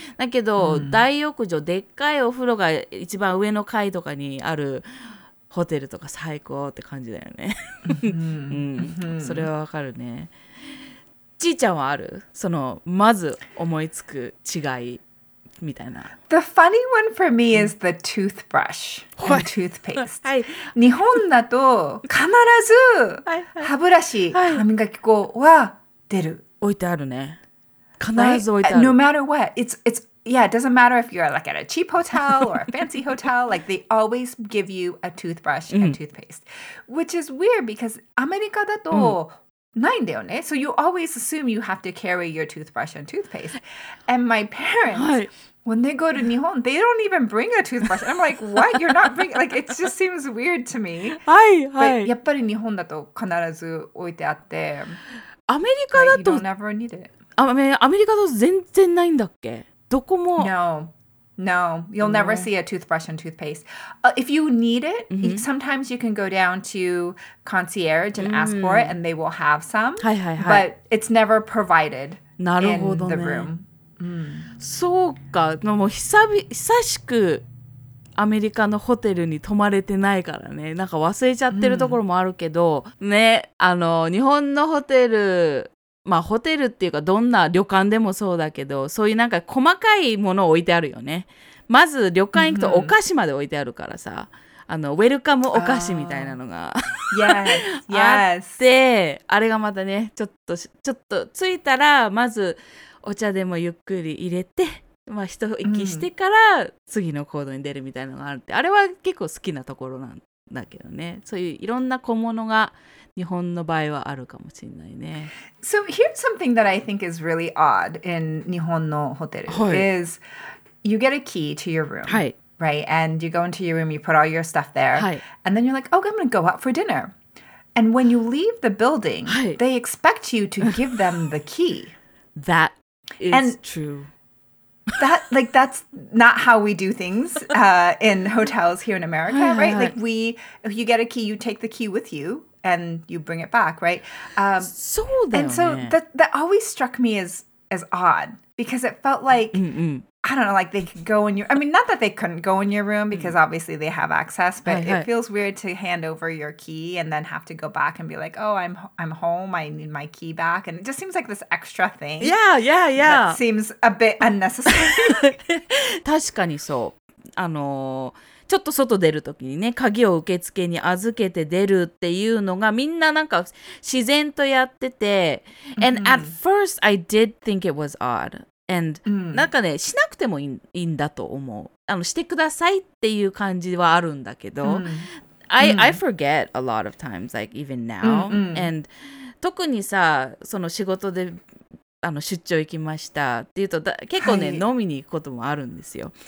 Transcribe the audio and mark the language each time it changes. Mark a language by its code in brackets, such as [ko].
[ja] だけど、大浴場、でっかいお風呂が一番上の階とかにあるホテルとか最高って感じだよね。それはわかるね。ちいちゃんはある？そのまず思いつく違いみたいな。 [en] The funny one for me is the toothbrush or toothpaste. [ja] 、はい、日本だと必ず歯ブラシ、歯磨き粉は出る。置いてあるね。必ず置いてある。 [en] Right? No matter what, it's yeah. It doesn't matter if you're like at a cheap hotel or a fancy hotel. Like they always give you a toothbrush and toothpaste, which is weird because [ja] アメリカだと、ないんだよね。 [en] So you always assume you have to carry your toothbrush and toothpaste. And my parents, when they go to Nihon, they don't even bring a toothbrush. I'm like, what? You're not bringing... Like, it just seems weird to me. [ja] はいはい。 But やっぱり日本だと必ず置いてあって。アメリカだと... [en] You don't ever need it. [ja] アメリカだと全然ないんだっけ? どこも... [en] No. No, you'll never see a toothbrush and toothpaste. If you need it, sometimes you can go down to concierge and ask for it, and they will have some. [ja] はいはいはい。 [en] But it's never provided in the room. [ja] そうか。でも久しくアメリカのホテルに泊まれてないからね。なんか忘れちゃってるところもあるけど、ね、日本のホテル、まあホテルっていうかどんな旅館でもそうだけど、そういうなんか細かいものを置いてあるよね。まず旅館行くとお菓子まで置いてあるからさ、ウェルカムお菓子みたいなのが [en] Yes, yes. [ja] で、あれがまたね、ちょっと着いたら、まずお茶でもゆっくり入れて、まあ一息してから次の行動に出るみたいなのがあるって、うん、あれは結構好きなところなんだけどね。そういういろんな小物が日本の場合はあるかもしれないね。 [en] So here's something that I think is really odd in [ja] 日本のホテル、はい、 [en] is you get a key to your room. [ja] はい。 [en] Right, and you go into your room, you put all your stuff there,、 [ja] はい、 [en] and then you're like, oh, I'm going to go out for dinner. And when you leave the building,、 [ja] はい、 [en] they expect you to give them the key. That is、and、true. That, like, that's not how we do things、in hotels here in America, right? Like, we, if you get a key, you take the key with you, and you bring it back, right?、 [ja] そうだよね。 [en] And so that always struck me as odd, because it felt like...、 Mm-mm. I don't know, like they could go in your... I mean, not that they couldn't go in your room because obviously they have access, but [ja] はい、はい、 [en] it feels weird to hand over your key and then have to go back and be like, oh, I'm home, I need my key back. And it just seems like this extra thing. Yeah, yeah, yeah. That seems a bit unnecessary. [ja] 確かにそう。ちょっと外出るときにね、鍵を受付に預けて出るっていうのがみんななんか自然とやってて。 Mm-hmm. [en] And at first, I did think it was odd. And、 mm. [ja] なんかね、しなくてもいいんだと思う。してくださいっていう感じはあるんだけど、mm. [en] I forget a lot of times, like even now.、 Mm-hmm. [ja] And 特にさ、その仕事で出張行きましたっていうと、結構ね、はい、飲みに行くこともあるんですよ。